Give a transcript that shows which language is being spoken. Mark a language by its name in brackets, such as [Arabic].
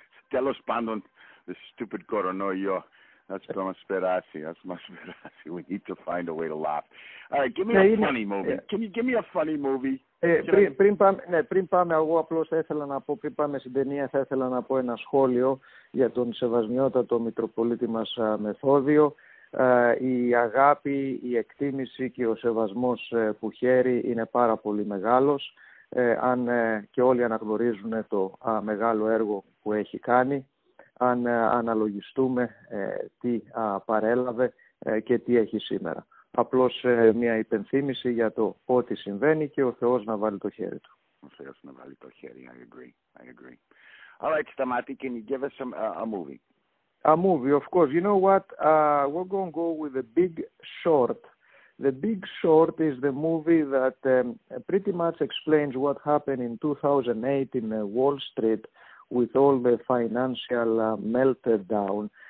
[Greek] Telos pandon. [English] This stupid coronoyo, that's Masperasi, We need to find a way to laugh. All right, give me a funny movie. Can you give me a funny movie? [Greek] Πριν πάμε, εγώ απλώς θα ήθελα να πω, πριν πάμε στην ταινία, θα ήθελα να πω ένα σχόλιο για τον σεβασμιότατο Μητροπολίτη μας Μεθόδιο. Η αγάπη, η εκτίμηση και ο σεβασμός που χαίρει είναι πάρα πολύ μεγάλος. Αν και όλοι αναγνωρίζουν το μεγάλο έργο που έχει κάνει, αν αναλογιστούμε τι παρέλαβε και τι έχει σήμερα. Απλώς μια υπενθύμηση για το ό,τι συμβαίνει και ο Θεός να βάλει το χέρι του. Ο Θεός να βάλει το χέρι, [English] I agree. All right, Stamati, can you give us a movie? A movie, of course. You know what, we're going to go with The Big Short. The Big Short is the movie that pretty much explains what happened in 2008 in Wall Street with all the financial meltdown.